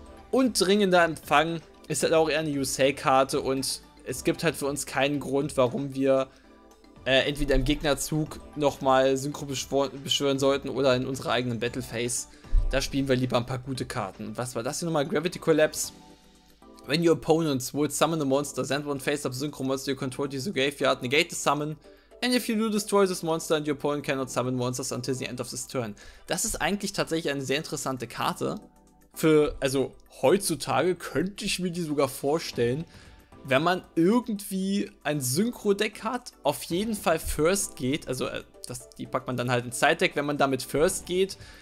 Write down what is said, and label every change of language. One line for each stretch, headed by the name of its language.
German: Und dringender Empfang ist halt auch eher eine USA-Karte und es gibt halt für uns keinen Grund, warum wir entweder im Gegnerzug nochmal Synchro beschwören sollten oder in unserer eigenen Battle-Phase. Da spielen wir lieber ein paar gute Karten. Was war das hier nochmal? Gravity Collapse.
English: When your opponents would summon a monster, send one face up Synchro Monster you control to the graveyard, negate the summon. And if you do destroy this monster and your opponent cannot summon monsters until the end of this turn.
German: Das ist eigentlich tatsächlich eine sehr interessante Karte. Also heutzutage könnte ich mir die sogar vorstellen, wenn man irgendwie ein Synchro-Deck hat, auf jeden Fall First geht. Also die packt man dann halt in Side-Deck, wenn man damit First geht.